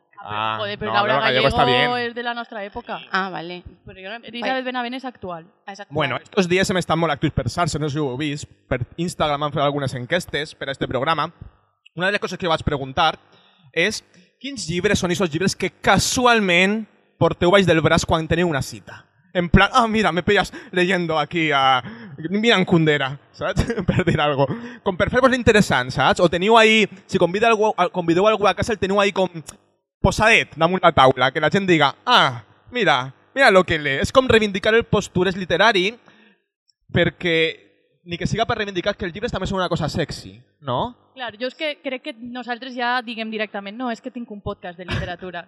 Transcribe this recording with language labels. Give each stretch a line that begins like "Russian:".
Spanish: Pero no, Laura Gallego está bien. Es de la nuestra época. Ah, vale. Elizabeth Benavent es actual. Bueno, estos días se me están molactus
Catalan: per Sarsen, no sé si ho heu vist. Per Instagram han fet algunes enquestes per a este programa. Una de les coses que vaig preguntar és quins llibres són esos llibres que casualment porteu baix del braç quan teniu una cita.
Spanish: En plan, ah, mira, me pillas leyendo aquí a Miran Kundera,
Catalan: saps? Per dir algo. Com per fer-vos l'interessant, saps? O teniu ahí, si convideu algú a casa, el teniu ahí com... posadet damunt la taula, que la gent diga
Spanish: ah, mira, mira lo que lee.
Catalan: És com reivindicar el postures literari perquè, ni que siga per reivindicar que els llibres també són una cosa sexy, no? Clar, jo és que crec que nosaltres ja diguem directament no, és que tinc un podcast de literatura.